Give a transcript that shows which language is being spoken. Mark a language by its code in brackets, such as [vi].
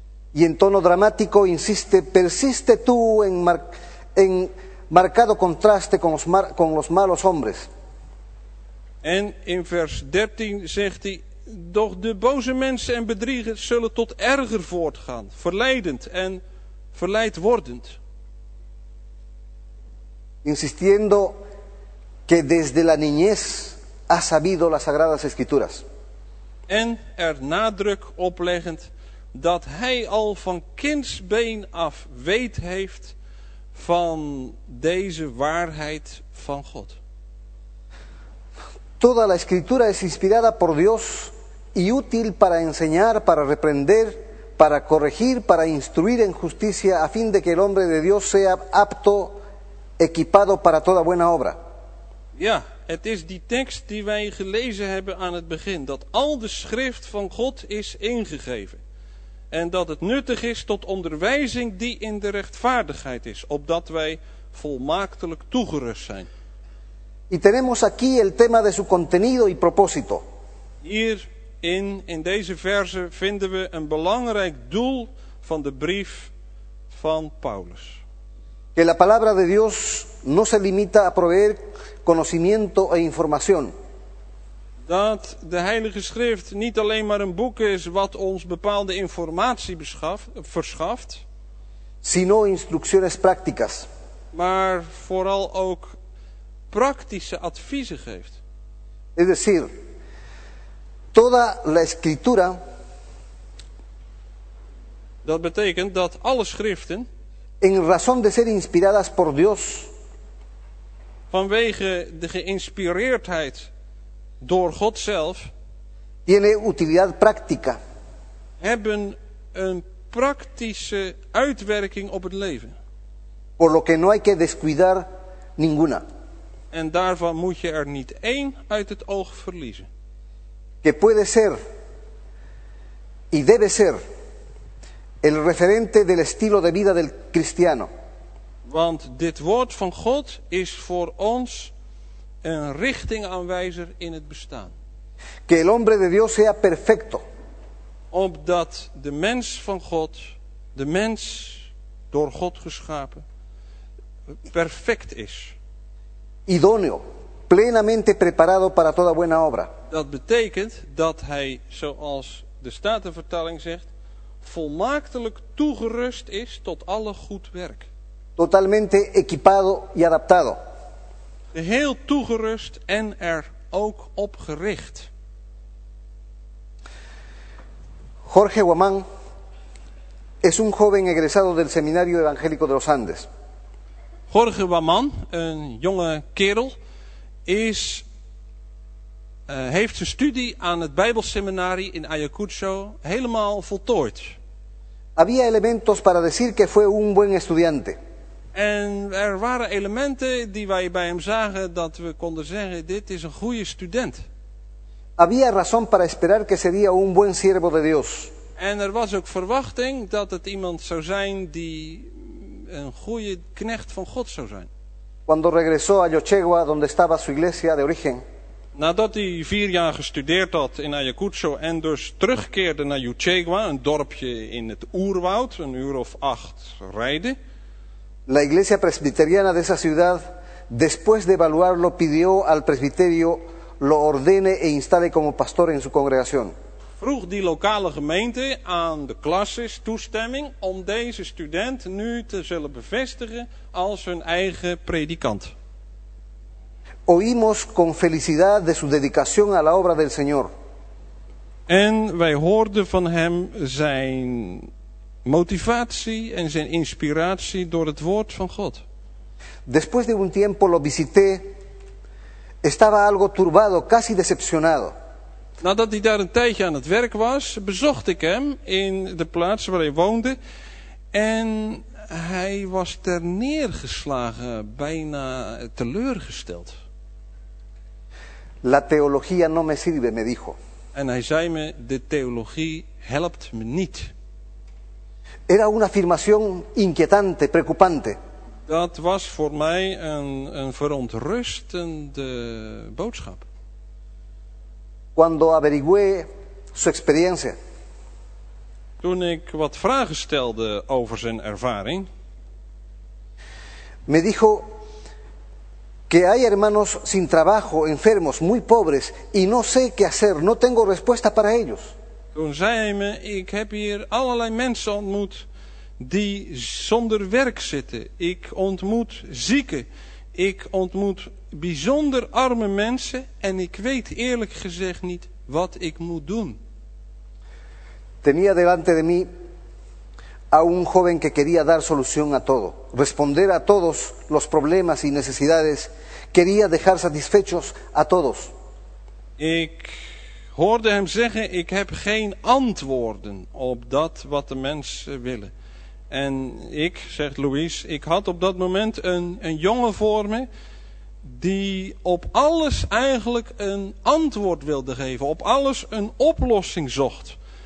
[es] Y en tono dramático insiste, persiste tú en marcado contraste con los malos hombres. [nl] En in vers 13 zegt hij: doch de boze mensen en bedriegers zullen tot erger voortgaan, verleidend en verleid wordend. [es] Insistiendo que desde la niñez ha sabido las Sagradas Escrituras. [nl] En er nadruk opleggend dat hij al van kindsbeen af weet heeft van deze waarheid van God. [es] Toda la escritura es inspirada por Dios y útil para enseñar, para reprender, para corregir, para instruir en justicia, a fin de que el hombre de Dios sea apto, equipado para toda buena obra. [nl] Ja, het is die tekst die wij gelezen hebben aan het begin, dat al de schrift van God is ingegeven. En dat het nuttig is tot onderwijzing die in de rechtvaardigheid is, opdat wij volmaaktelijk toegerust zijn. [es] Y tenemos aquí el tema de su contenido y propósito. [nl] Hier in deze verse vinden we een belangrijk doel van de brief van Paulus. [es] Que la palabra de Dios no se limita a proveer conocimiento e información. [nl] Dat de Heilige Schrift niet alleen maar een boek is wat ons bepaalde informatie verschaft, [es] sino instrucciones prácticas. [nl] Maar vooral ook praktische adviezen geeft. [es] Es decir, toda la escritura, [nl] dat betekent dat alle schriften, [es] en razón de ser inspiradas por Dios, [nl] vanwege de geïnspireerdheid door God zelf, [es] tiene utilidad práctica, [nl] hebben een praktische uitwerking op het leven. [es] Por lo que no hay que descuidar ninguna. [nl] En daarvan moet je er niet één uit het oog verliezen. [es] Que puede ser y debe ser el referente del estilo de vida del cristiano. [nl] Want dit woord van God is voor ons een richtingaanwijzer in het bestaan. [es] Que el hombre de Dios sea perfecto. [nl] Opdat de mens van God, de mens door God geschapen, perfect is. [es] Idóneo, plenamente preparado para toda buena obra. [nl] Dat betekent dat hij, zoals de Statenvertaling zegt, volmaaktelijk toegerust is tot alle goed werk. [es] Totalmente equipado y adaptado. [nl] Geheel toegerust en er ook op gericht. [es] Jorge Guamán es un joven egresado del Seminario Evangélico de los Andes. [nl] Jorge Guamán, een jonge kerel, heeft zijn studie aan het Bijbelseminarie in Ayacucho helemaal voltooid. [es] Había elementos para decir que fue un buen estudiante. [nl] En er waren elementen die wij bij hem zagen dat we konden zeggen: dit is een goede student. [es] Había razón para esperar que sería un buen siervo de Dios. [nl] En er was ook verwachting dat het iemand zou zijn die een goede knecht van God zou zijn. [es] Cuando regresó a Yochegua, donde estaba su iglesia de origen. [nl] Nadat hij 4 jaar gestudeerd had in Ayacucho en dus terugkeerde naar Yochegua, een dorpje in het oerwoud, 1 uur of 8 rijden. [es] La iglesia presbiteriana de esa ciudad, después de evaluarlo, pidió al presbiterio lo ordene e instale como pastor en su congregación. [nl] Vroeg die lokale gemeente aan de klasses toestemming om deze student nu te zullen bevestigen als hun eigen predikant. [es] Oímos con felicidad de su dedicación a la obra del Señor. [nl] En wij hoorden van hem zijn motivatie en zijn inspiratie door het woord van God. [es] Después de un tiempo lo visité, estaba algo turbado, casi decepcionado. [nl] Nadat hij daar een tijdje aan het werk was, bezocht ik hem in de plaats waar hij woonde. En hij was ter neergeslagen, bijna teleurgesteld. [es] La teología no me sirve, me dijo. [nl] En hij zei me, de theologie helpt me niet. [es] Era una afirmación inquietante, preocupante. [nl] Dat was voor mij een verontrustende boodschap. [es] Cuando averigüé su experiencia. [nl] Toen ik wat vragen stelde over zijn ervaring. [es] Me dijo que hay hermanos sin trabajo, enfermos, muy pobres y no sé qué hacer, no tengo respuesta para ellos. [nl] Toen zei hij me, ik heb hier allerlei mensen ontmoet die zonder werk zitten. Ik ontmoet zieken. Ik ontmoet bijzonder arme mensen en ik weet eerlijk gezegd niet wat ik moet doen. [es] Tenía delante de mí a un joven que quería dar solución a todo, responder a todos los problemas y necesidades, quería dejar satisfechos a todos. [nl] Ik hoorde hem zeggen, ik heb geen antwoorden op dat wat de mensen willen. En ik, zegt Luis, ik had op dat moment een jongen voor me die op alles eigenlijk een antwoord wilde geven, op alles een oplossing zocht.